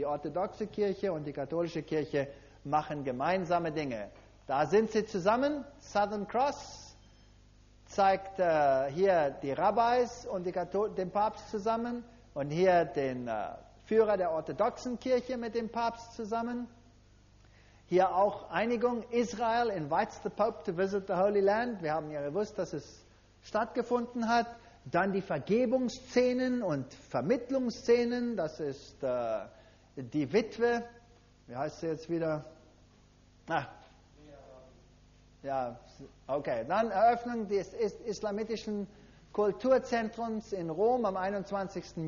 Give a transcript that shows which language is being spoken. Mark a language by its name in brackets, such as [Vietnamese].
[German] Die orthodoxe Kirche und die katholische Kirche machen gemeinsame Dinge. Da sind sie zusammen. Southern Cross zeigt hier die Rabbis und den Papst zusammen. Und hier den Führer der orthodoxen Kirche mit dem Papst zusammen. Hier auch Einigung. [English] Israel invites the Pope to visit the Holy Land. [German] Wir haben ja gewusst, dass es stattgefunden hat. Dann die Vergebungsszenen und Vermittlungsszenen. Das ist die Witwe. Wie heißt sie jetzt wieder? Ja, okay. Dann Eröffnung des islamitischen Kulturzentrums in Rom am 21.